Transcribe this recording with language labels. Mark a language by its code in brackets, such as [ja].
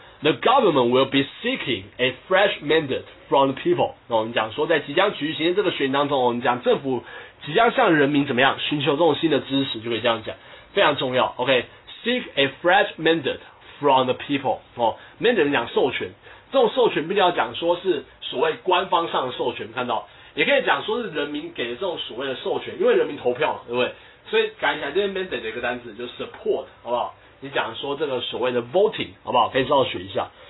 [en] The government will be seeking a fresh mandate from the people. [zh] 我们讲说，在即将举行的这个选当中，我们讲政府即将向人民怎么样寻求这种新的支持，就可以这样讲，非常重要。 [en] OK, seek a fresh mandate from the people. [zh] 哦 ，mandate 讲授权，这种授权必须要讲说是所谓官方上的授权，看到也可以讲说是人民给的这种所谓的授权，因为人民投票，对不对？所以改一下这边 mandate 的一个单词，就是 support， 好不好？你讲说这个所谓的 voting 好不好？可以稍微学一下。